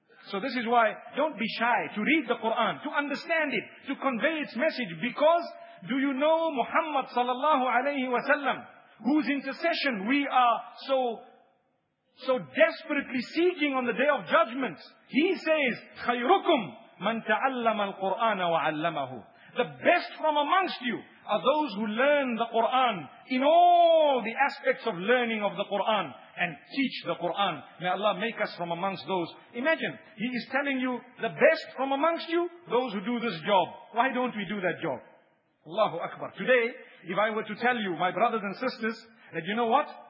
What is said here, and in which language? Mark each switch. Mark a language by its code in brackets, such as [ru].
[en] So this is why, don't be shy to read the Quran, to understand it, to convey its message. Because, do you know Muhammad sallallahu alayhi wa sallam, whose intercession we are so desperately seeking on the day of judgment? He says, [ar] خَيْرُكُمْ مَنْ تَعَلَّمَ الْقُرْآنَ وَعَلَّمَهُ. [en] The best from amongst you are those who learn the Quran in all the aspects of learning of the Quran and teach the Quran. May Allah make us from amongst those. Imagine, He is telling you the best from amongst you, those who do this job. Why don't we do that job? Allahu Akbar. Today, if I were to tell you, my brothers and sisters, that you know what?